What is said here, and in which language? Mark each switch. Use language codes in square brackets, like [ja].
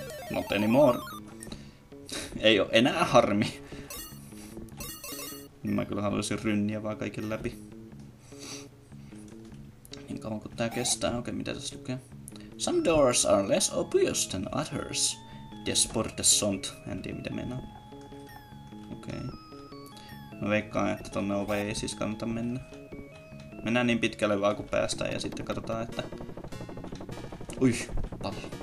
[en] Not anymore. [fi] Ei oo enää harmi. Mä kyllä haluaisin rynniä vaan kaiken läpi. Niin kauan kun tää kestää. Okei, mitä tässä lukee? [en] Some doors are less obvious than others. [fi] Desportes sont. En tiedä, mitä meinaa. Okei. Mä veikkaan, että tonne ovelle ei siis kannata mennä. Mennään niin pitkälle vaan kun päästään ja sitten katsotaan, että... Ui, pala.